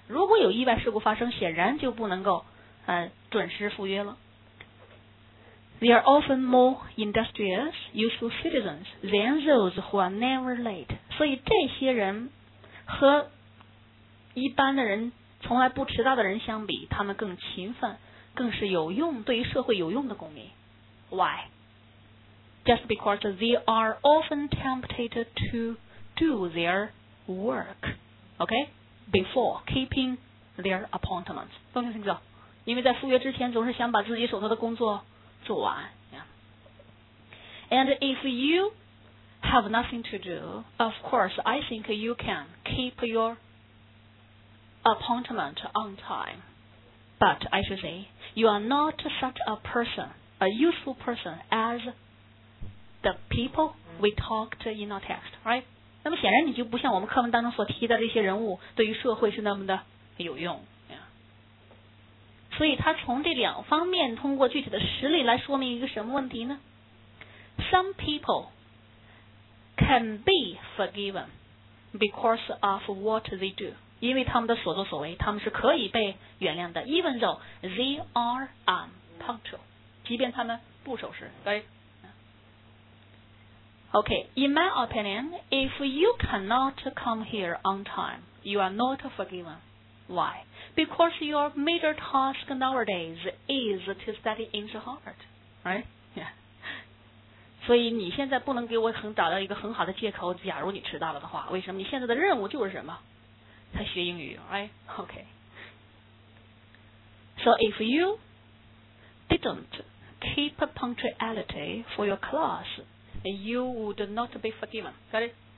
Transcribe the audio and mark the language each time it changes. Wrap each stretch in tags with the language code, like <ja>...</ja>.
<zh>如果有意外事故发生显然就不能够、准时赴约了</zh> <en>They are often more industrious useful citizens than those who are never late</en> <zh>所以这些人和一般的人从来不迟到的人相比他们更勤奋更是有用对于社会有用的公民</zh> <en>Why? Just because they are often tempted to do their work okay? Before keeping their appointments Don't you think so?</en> <zh>因为在赴约之前总是想把自己手头的工作做完、</zh> <en>yeah. And if youHave nothing to do. Of course, I think you can keep your appointment on time. But I should say, you are not such a person, a useful person as the people we talked in our text, right?</en> <zh>那么显然你就不像我们课文当中所提到的这些人物，对于社会是那么的有用。所以他从这两方面通过具体的实例来说明一个什么问题呢？</zh> <en>Some people. Can be forgiven because of what they do.</en> <zh>因为他们的所作所为，他们是可以被原谅的。</zh> <en>Even though they are unpunctual,</en> <zh>即便他们不守时，对。</zh> <en>Okay, in my opinion, if you cannot come here on time, you are not forgiven. Why? Because your major task nowadays is to study in the heart, right? Yeah.</en> <zh>所以你现在不能给我很找到一个很好的借口假如你迟到了的话为什么你现在的任务就是什么才学英语</zh> <en>right? OK So if you didn't keep punctuality for your class you would not be forgiven Got it?</en>